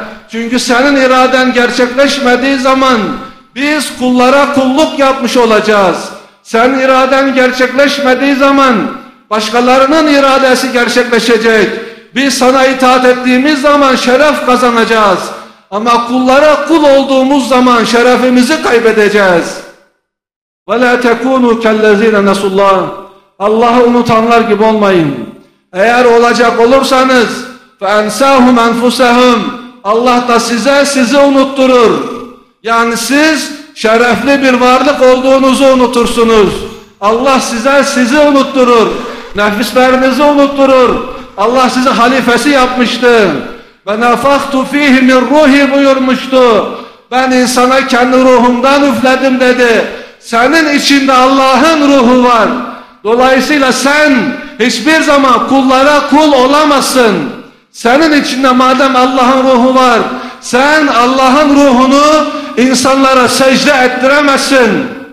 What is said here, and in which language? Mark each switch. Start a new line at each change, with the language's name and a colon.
Turkish: Çünkü senin iraden gerçekleşmediği zaman biz kullara kulluk yapmış olacağız. Sen iraden gerçekleşmediği zaman başkalarının iradesi gerçekleşecek. Biz sana itaat ettiğimiz zaman şeref kazanacağız. Ama kullara kul olduğumuz zaman şerefimizi kaybedeceğiz.
Arabic: وَلَا تَكُونُوا كَلَّذ۪ينَ نَسُوا اللّٰهِ
Turkish: Allah'ı unutanlar gibi olmayın. Eğer olacak olursanız
Arabic: فَاَنْسَاهُمْ اَنْفُسَهُمْ
Turkish: Allah da size sizi unutturur. Yani siz şerefli bir varlık olduğunuzu unutursunuz. Allah size sizi unutturur. Nefislerinizi unutturur. Allah sizi halifesi yapmıştı.
Arabic: وَنَفَخْتُ ف۪يهِ مِنْ رُوْهِ
Turkish: buyurmuştu. Ben insana kendi ruhumdan üfledim dedi. Senin içinde Allah'ın ruhu var. Dolayısıyla sen hiçbir zaman kullara kul olamazsın. Senin içinde madem Allah'ın ruhu var, sen Allah'ın ruhunu insanlara secde ettiremezsin.